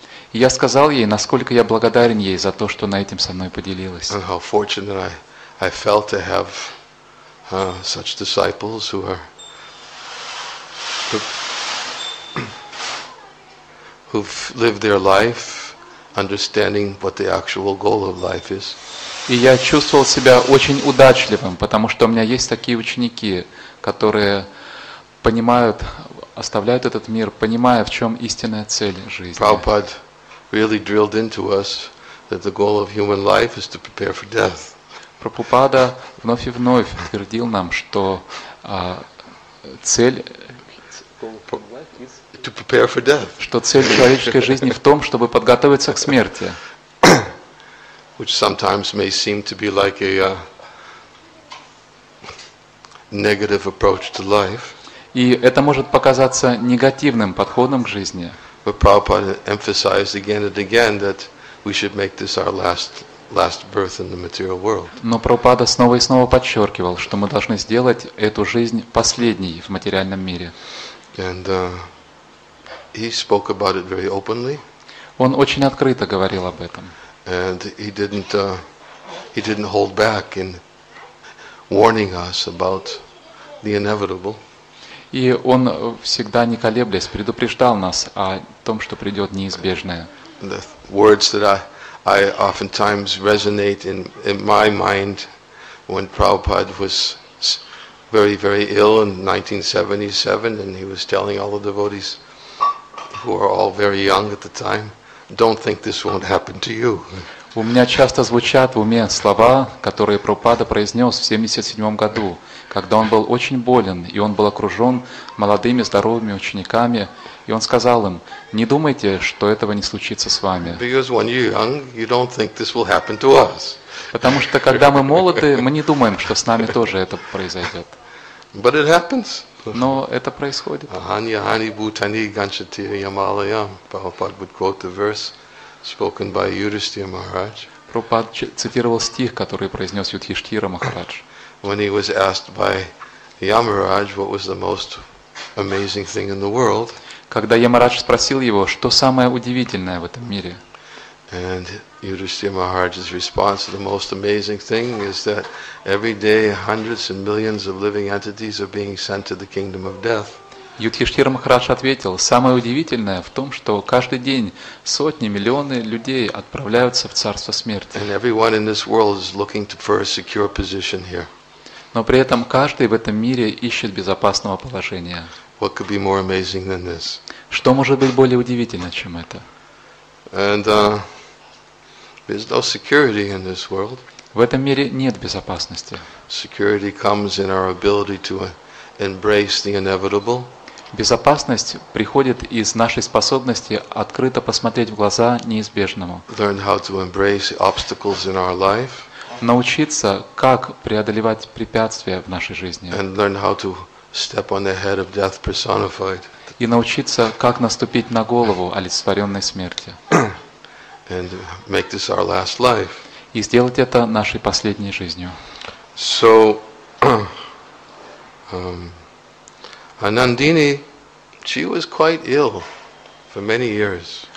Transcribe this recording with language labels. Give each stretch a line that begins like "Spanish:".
Russian: И я сказал ей, насколько я благодарен ей за то, что она этим со мной поделилась.
English: And how fortunate I felt to have such disciples who are who've lived their life understanding what the actual goal of life is.
Russian: И я чувствовал себя очень удачливым, потому что у меня есть такие ученики, которые понимают, оставляют этот мир, понимая, в чем истинная цель жизни.
English: Prabhupada really drilled into us that the goal of human life is to prepare for death.
Russian: Прабхупада вновь и вновь твердил нам, что цель
English: to prepare for death.
Russian: Что цель человеческой жизни в том, чтобы подготовиться к смерти.
English: Which sometimes may seem to be like a negative approach to life.
Russian: И это может показаться негативным подходом к жизни.
English: But Prabhupada emphasized again and again that we should make this our last birth in the material world.
Russian: Но Прабхупада снова и снова подчеркивал, что мы должны сделать эту жизнь последней в материальном мире.
English: And he spoke about it very openly.
Russian: Он очень открыто говорил об этом.
English: And he didn't hold back in warning us about the inevitable.
Russian: И он всегда не колеблясь предупреждал нас о том, что придет неизбежное.
English: The words that I oftentimes resonate in my mind when Prabhupada was very very ill in 1977 and he was telling all the devotees who are all very young at the time, don't think this won't happen to you.
Russian: У меня часто звучат в уме слова, которые Прабхупада произнес в 77 году, когда он был очень болен, и он был окружен молодыми, здоровыми учениками, и он сказал им, не думайте, что этого не случится с вами.
English: Because when you're young, you don't think this will happen to us.
Russian: Потому что когда мы молоды, мы не думаем, что с нами тоже это произойдет.
English: But it happens.
Russian: Но это происходит.
Sanskrit: Ахани, ахани, бутани, ганчати, ямалаям.
English: Прабхупада would quote the verse spoken by Yudhishthira Maharaj.
Russian: Прабхупад цитировал стих, который произнес Юдхиштхира Махарадж.
English: When he was asked by Yamaraj what was the most amazing thing in the world.
Russian: Когда Ямарадж спросил его, что самое удивительное в этом мире.
English: And Yudhishthira Maharaj's response to the most amazing thing is that every day hundreds and millions of living entities are being sent to the kingdom of death.
Russian: Юдхиштхира Махарадж ответил, самое удивительное в том, что каждый день сотни, миллионы людей отправляются в царство смерти.
English: And everyone in this world is looking for a secure position here.
Russian: Но при этом каждый в этом мире ищет безопасного положения.
English: What could be more amazing than this?
Russian: Что может быть более удивительно, чем это?
English: And there's no security in this world.
Russian: В этом мире нет безопасности.
English: Security comes in our ability to embrace the inevitable.
Russian: Безопасность приходит из нашей способности открыто посмотреть в глаза неизбежному.
English: Learn how to embrace obstacles in our life.
Russian: Научиться, как преодолевать препятствия в нашей жизни.
English: And learn how to step on the head of death personified.
Russian: И научиться, как наступить на голову олицетворенной смерти.
English: And make this our last life.
Russian: И сделать это нашей последней жизнью.
English: So, Анандини, she was quite ill for many years.